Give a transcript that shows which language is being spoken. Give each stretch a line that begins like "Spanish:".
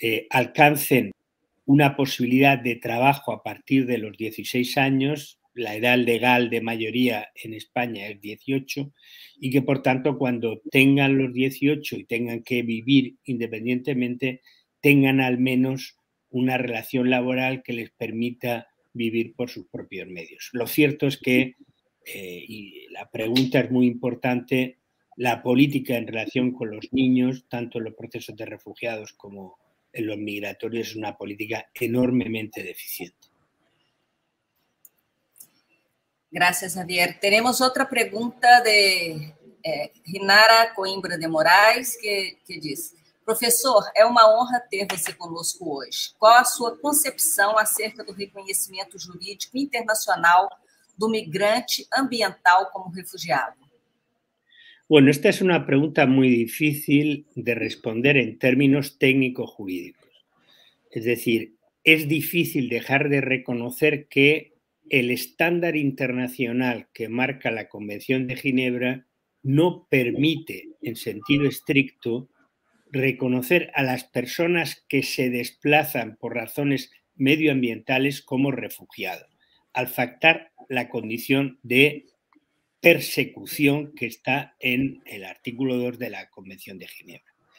Spanish: alcancen una posibilidad de trabajo a partir de los 16 años, la edad legal de mayoría en España es 18, y que por tanto cuando tengan los 18 y tengan que vivir independientemente, tengan al menos una relación laboral que les permita vivir por sus propios medios. Lo cierto es que, y la pregunta es muy importante, la política en relación con los niños, tanto en los procesos de refugiados como en los migratorios, es una política enormemente deficiente. Gracias, Javier. Tenemos otra pregunta de Ginara Coimbra de Moraes, que dice:
Portuguese: Professor, é uma honra ter você conosco hoje. Qual a sua concepção acerca do reconhecimento jurídico internacional do migrante ambiental como refugiado?
Spanish: Bueno, esta es una pregunta muy difícil de responder en términos técnicos jurídicos. Es decir, es difícil dejar de reconocer que el estándar internacional que marca la Convención de Ginebra no permite, en sentido estricto, reconocer a las personas que se desplazan por razones medioambientales como refugiados, al faltar la condición de persecución que está en el artículo 2 de la Convención de Ginebra.